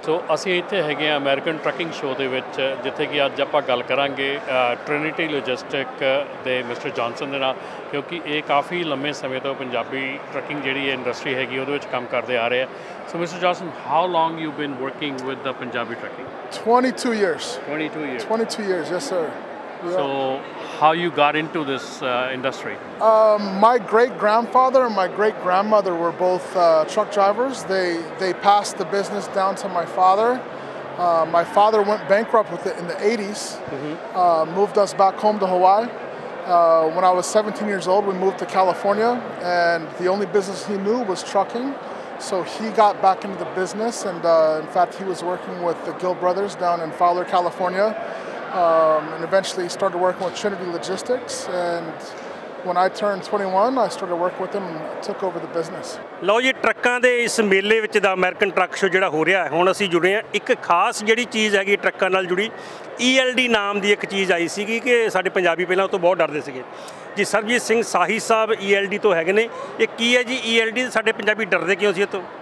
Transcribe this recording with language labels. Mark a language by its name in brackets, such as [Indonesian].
[Punjabi] ਸੋ ਅਸੀਂ ਇੱਥੇ ਹੈਗੇ ਹਾਂ ਅਮੈਰੀਕਨ ਟਰੱਕਿੰਗ ਸ਼ੋਅ ਦੇ ਵਿੱਚ, ਜਿੱਥੇ ਕਿ ਅੱਜ ਆਪਾਂ ਗੱਲ ਕਰਾਂਗੇ ਟ੍ਰਿਨਿਟੀ ਲੌਜਿਸਟਿਕ ਦੇ ਮਿਸਟਰ ਜੌਨਸਨ ਦੇ ਨਾਲ, ਕਿਉਂਕਿ ਇਹ ਕਾਫੀ ਲੰਬੇ ਸਮੇਂ ਤੋਂ ਪੰਜਾਬੀ ਟਰੱਕਿੰਗ ਜਿਹੜੀ ਇੰਡਸਟਰੀ ਹੈਗੀ ਉਹਦੇ ਵਿੱਚ ਕੰਮ ਕਰਦੇ ਆ ਰਹੇ ਆ। [English] So mister Johnson, how long you been working with the Punjabi trucking? 22 years. 22 years? 22 years, yes sir. So how you got into this industry? My great grandfather and my great grandmother were both truck drivers. They passed the business down to my father. My father went bankrupt with it in the 80s. Mm-hmm. Moved us back home to Hawaii. When I was 17 years old, we moved to California, and the only business he knew was trucking. So he got back into the business, and in fact he was working with the Gill brothers down in Fowler, California. And eventually started working with Trinity Logistics, and when I turned 21 I started working with them and took over the business. [Punjabi] ਲਓ ਜੀ, ਟਰੱਕਾਂ ਦੇ ਇਸ ਮੇਲੇ ਵਿੱਚ ਦਾ American truck show ਜਿਹੜਾ ਹੋ ਰਿਹਾ, ਹੁਣ ਅਸੀਂ ਜੁੜੇ ਹਾਂ ਇੱਕ ਖਾਸ ਜਿਹੜੀ ਚੀਜ਼ ਹੈਗੀ ਟਰੱਕਾਂ ਨਾਲ ਜੁੜੀ, ELD ਨਾਮ ਦੀ ਇੱਕ ਚੀਜ਼ ਆਈ ਸੀਗੀ ਕਿ ਸਾਡੇ ਪੰਜਾਬੀ ਪਹਿਲਾਂ ਤੋਂ ਬਹੁਤ ਡਰਦੇ ਸੀਗੇ ਜੀ। ਸਰਬਜੀਤ ਸਿੰਘ ਸਾਹੀ ਸਾਹਿਬ ELD ਤੋਂ ਹੈਗੇ ਨੇ, ਇਹ ਕੀ ਹੈ ਜੀ ELD? ਸਾਡੇ ਪੰਜਾਬੀ ਡਰਦੇ ਕਿਉਂ ਸੀ ਇਹ ਤੋਂ?